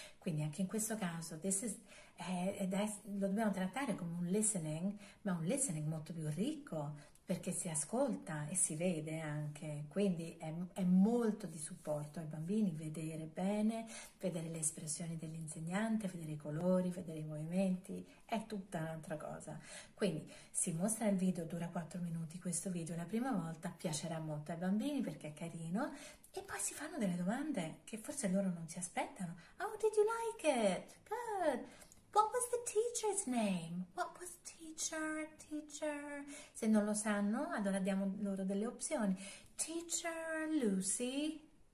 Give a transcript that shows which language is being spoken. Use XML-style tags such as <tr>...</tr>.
<it>quindi anche in questo caso lo dobbiamo trattare come un listening, ma un listening molto più ricco, perché si ascolta e si vede anche, quindi è molto di supporto ai bambini vedere bene, vedere le espressioni dell'insegnante, vedere i colori, vedere i movimenti, è tutta un'altra cosa. Quindi si mostra il video, dura 4 minuti questo video, la prima volta piacerà molto ai bambini perché è carino, e poi si fanno delle domande che forse loro non si aspettano.</it> <en>How did you like it? Good! What was the teacher's name? What was teacher?</en> <it>Se non lo sanno, allora diamo loro delle opzioni.</it> <en>Teacher Lucy?</en>